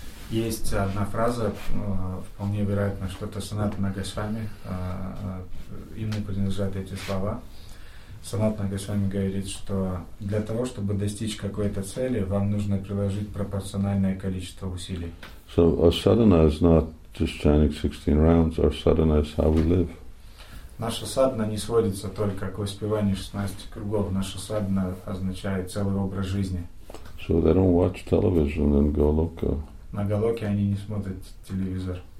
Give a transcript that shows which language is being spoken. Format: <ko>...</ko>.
<ru>Есть одна фраза, вполне вероятно, что это Санатана Госвами, ему принадлежат эти слова. Санатана Госвами говорит, что для того, чтобы достичь какой-то цели, вам нужно приложить пропорциональное количество усилий.</ru> <en>So our sadhana is not just chanting 16 rounds, our sadhana is how we live.</en> <ru>Наша садхана не сводится только к воспеванию 16 кругов, наша садхана означает целый образ жизни.</ru> <en>So they don't watch television and go loco.</en> <ru>На Голоке они не смотрят телевизор.</ru>